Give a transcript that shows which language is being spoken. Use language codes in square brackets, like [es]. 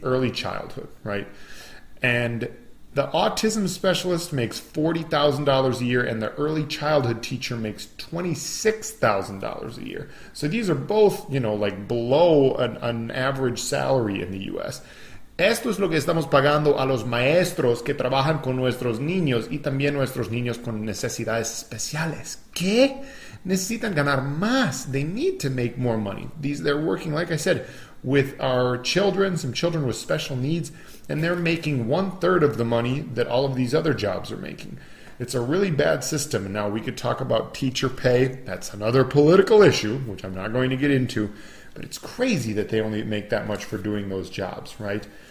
[en] Early childhood, right? And the autism specialist makes $40,000 a year and the early childhood teacher makes $26,000 a year. So these are both, you know, like below an average salary in the U.S. [es] Esto es lo que estamos pagando a los maestros que trabajan con nuestros niños y también nuestros niños con necesidades especiales. ¿Qué? Necesitan ganar más. [en] They need to make more money. They're working, like I said, with our children, some children with special needs, and they're making one-third of the money that all of these other jobs are making. It's a really bad system. Now, we could talk about teacher pay. That's another political issue, which I'm not going to get into, but it's crazy that they only make that much for doing those jobs, right?